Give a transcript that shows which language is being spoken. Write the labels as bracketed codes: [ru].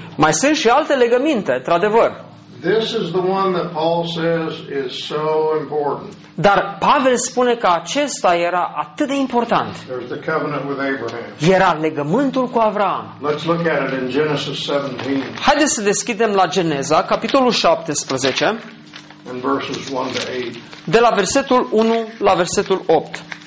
[ro] Mai sunt și alte legăminte, într-adevăr. [en] This is the one that Paul says is so important. [ro] Dar Pavel spune că acesta era atât de important. [en] There's the covenant with Abraham. [ro] Era legământul cu Avram. [en] Let's look at it in Genesis 17. [ro] Haideți să deschidem la Geneza, capitolul 17. [en] In verses 1 to 8. [ro] De la versetul 1 la versetul 8.